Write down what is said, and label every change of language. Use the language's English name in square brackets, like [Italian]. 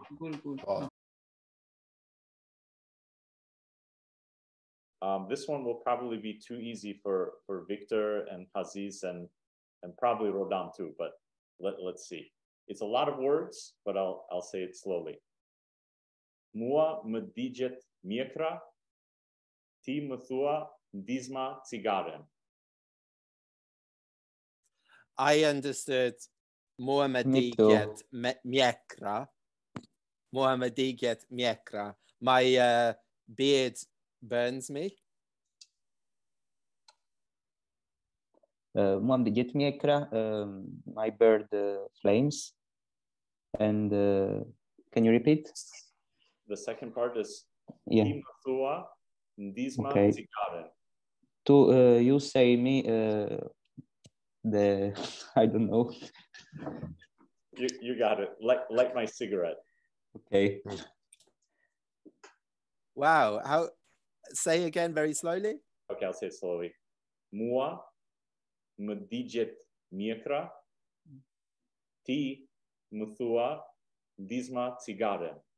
[Albanian] Gur, gur. [English] This one will probably be too easy for Victor and Haziz and probably Rodan too, but. Let's see. It's a lot of words, but I'll say it slowly. [Albanian] Mua më digjet mjekra, ti më thua ndizma cigaren. [English] I understood [Albanian] mua më digjet mjekra. Mua më digjet mjekra. [English] My beard burns me. [Albanian] Muam digjet mjekra, [English] my bird flames. And can you repeat? The second part is yeah. [Albanian] Ti më thua ndizma okay. Cigaren. [English] To you say me the I don't know. You got it. Like my cigarette. Okay. Wow. How say again very slowly? Okay, I'll say it slowly. [Albanian] Mua më digjet mjekra, ti më thua ndizma cigaren.